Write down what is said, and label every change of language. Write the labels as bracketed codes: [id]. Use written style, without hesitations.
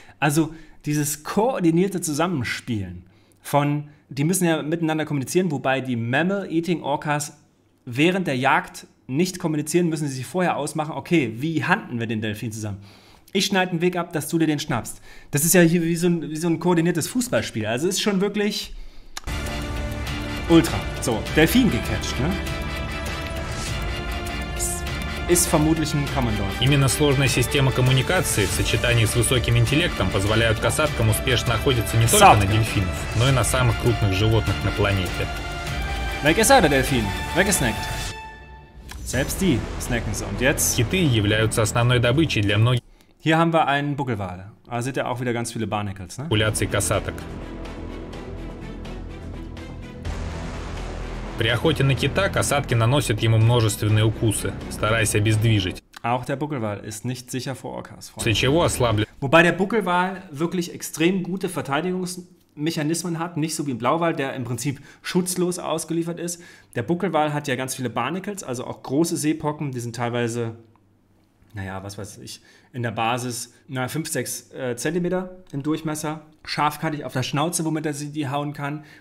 [de] Also dieses koordinierte Zusammenspielen von, die müssen ja miteinander kommunizieren, wobei die Mammal-Eating-Orcas während der Jagd nicht kommunizieren, müssen sie sich vorher ausmachen, okay, wie handeln wir den Delfin zusammen? Ich schneide einen Weg ab, dass du dir den schnappst. Das ist ja hier wie so ein koordiniertes Fußballspiel. Also es ist schon wirklich ultra. So, Delfin gecatcht, ne? Ist vermutlich ein Common Dolphin. [ru] Именно сложная система коммуникации в сочетании с высоким интеллектом позволяют касаткам успешно охотиться не только на дельфинов, но и на самых крупных животных на планете. [de] Weg ist er, der Delfin. Weggesnackt. Selbst die snacken sie. Und jetzt? [ru] Киты являются основной добычей для многих. [de] Hier haben wir einen Buckelwal. Da seht ihr auch wieder ganz viele Barnacles, ne? [ru] Популяции касаток. При охоте на кита касатки наносят ему множественные укусы, стараясь обездвижить. [de] Auch der Buckelwal ist nicht sicher vor Orcas. [ru] С чего ослабли? [de] Wobei der Buckelwal wirklich extrem gute Verteidigungsmechanismen hat, nicht so wie ein Blauwal, der im Prinzip schutzlos ausgeliefert ist. Der Buckelwal hat ja ganz viele Barnacles, also auch große Seepocken, die sind teilweise, naja, was weiß ich, in der Basis, na, 5-6 Zentimeter im Durchmesser, scharfkantig auf der Schnauze, womit er sie die hauen kann.